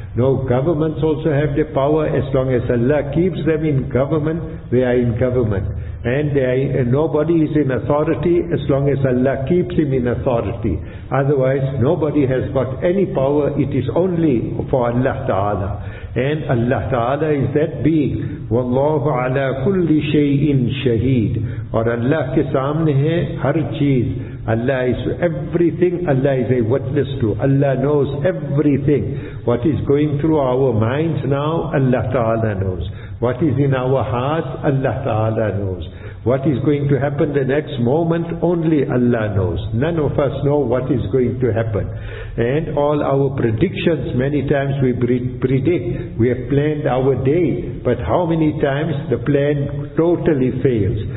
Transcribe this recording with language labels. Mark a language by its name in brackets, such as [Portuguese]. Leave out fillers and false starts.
[English] No governments also have the power. As long as Allah keeps them in government, they are in government. And nobody is in authority as long as Allah keeps him in authority. Otherwise, nobody has got any power. It is only for Allah Ta'ala. And Allah Ta'ala is that being. [Arabic] وَاللَّهُ عَلَىٰ كُلِّ شَيْءٍ شَهِيدٍ. [Urdu] اور اللہ کے سامنے ہے ہر چیز. [English] Allah is everything. Allah is a witness to. Allah knows everything. What is going through our minds now, Allah Ta'ala knows. What is in our hearts, Allah Ta'ala knows. What is going to happen the next moment, only Allah knows. None of us know what is going to happen. And all our predictions, many times we predict, we have planned our day, but how many times the plan totally fails.